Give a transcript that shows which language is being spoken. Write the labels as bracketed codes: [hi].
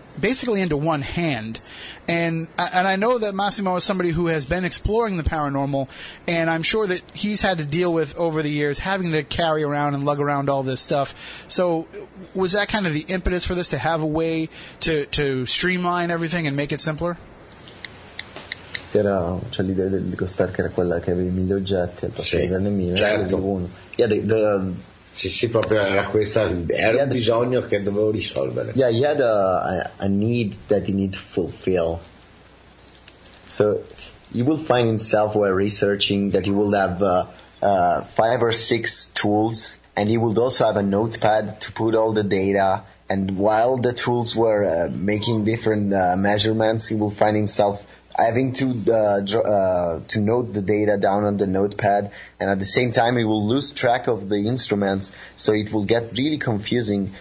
[en] basically into one hand. And I know that Massimo is somebody who has been exploring the paranormal, and I'm sure that he's had to deal with, over the years, having to carry around and lug around all this stuff. So was that kind of the impetus for this, to have a way to streamline everything and make it simpler? [it] Era, cioè, l'idea del GhostArk era quella che avevi mille oggetti al posto di averne mille, certo. Uno. Sì, proprio era questa, era un bisogno che dovevo risolvere. [en] Yeah, he had a need that he needed to fulfill. So you will find himself while researching that he will have 5 or 6 tools, and he would also have a notepad to put all the data. And while the tools were making different measurements, he will find himself having to note the data down on the notepad, and at the same time he will lose track of the instruments, so it will get really confusing.